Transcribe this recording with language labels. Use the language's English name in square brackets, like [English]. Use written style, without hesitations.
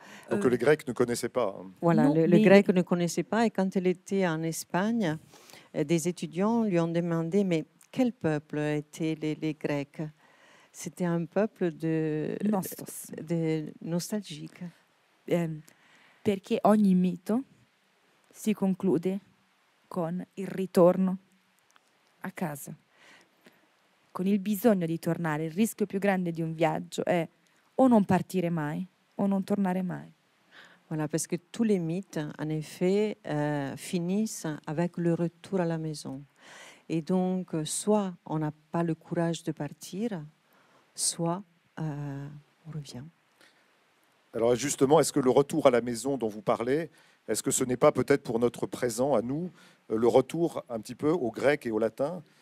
[French] Donc les Grecs ne connaissaient pas. Voilà, les Grecs ne connaissaient pas. Et quand elle était en Espagne, des étudiants lui ont demandé, mais quel peuple étaient les Grecs? C'était un peuple de nostalgique. [Italian] Perché ogni mito si conclude con il ritorno a casa. Con il bisogno di tornare. Il rischio più grande di un viaggio è o non partire mai o non tornare mai. [French] Voilà, parce que tous les mythes, en effet, finissent avec le retour à la maison. Et donc, soit on n'a pas le courage de partir, soit on revient. Alors justement, est-ce que le retour à la maison dont vous parlez, est-ce que ce n'est pas peut-être pour notre présent à nous, le retour un petit peu au grec et au latin?